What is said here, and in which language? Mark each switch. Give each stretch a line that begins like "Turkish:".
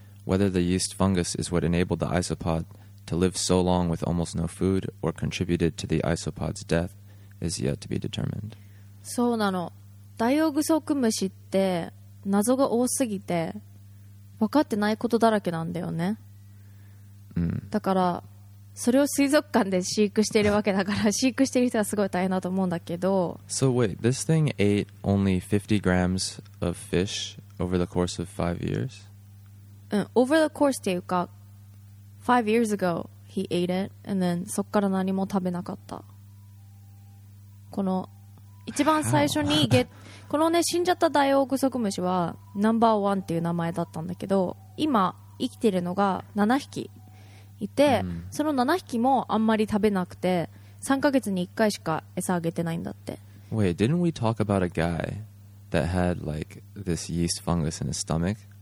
English: Whether the yeast fungus is what enabled the isopod to live so long with almost no food or contributed to the isopod's death is yet to be determined.
Japanese: そうなの。ダイオウグソクムシって謎が多すぎて分かってないことだらけなんだよね。だからそれを水族館で飼育しているわけだから飼育している人はすごい大変だと思うんだけど。
English: So wait, this thing ate only 50 grams of fish over the course of 5 years? Over the course
Japanese: っていうか
English: 5 years ago he ate it and then
Japanese: そっから何も食べなかった。この一番最初にこのね、死んじゃったダイオウグソクムシはナンバーワンっていう名前だったんだけど、今生きてるのが7匹いて、その7匹もあんまり食べなくて3ヶ月に1回しか餌あげてないんだって。
English: Wait, didn't we talk about a guy that had like this yeast fungus in his stomach?